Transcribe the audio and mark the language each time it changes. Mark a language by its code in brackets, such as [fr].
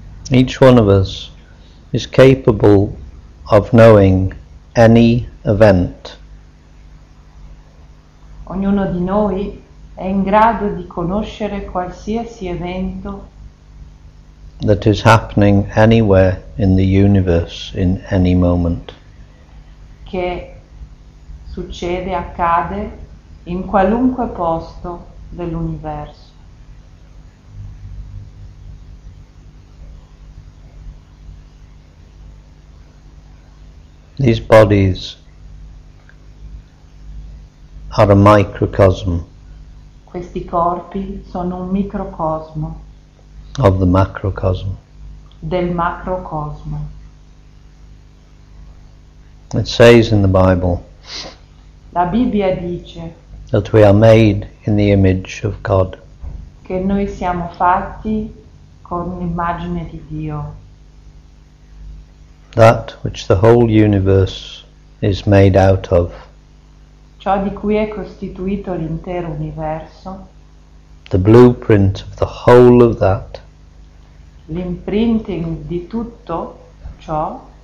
[en] Each one of us is capable of knowing any event. [it] Ognuno di noi è in grado di conoscere qualsiasi evento [en] that is happening anywhere in the universe in any moment. [it] Che succede, accade in qualunque posto dell'universo. [en] These bodies are a microcosm. [it] Questi corpi sono un microcosmo. [en] Of the macrocosm. [it] Del macrocosmo. [en] It says in the Bible. [it] La Bibbia dice. [en] That we are made in the image of God. [it] Che che noi siamo fatti con l'immagine di Dio. [en] That which the whole universe is made out of. [it] Ciò di cui è costituito l'intero universo. [en] The blueprint of the whole of that. [it] L'imprinting di tutto ciò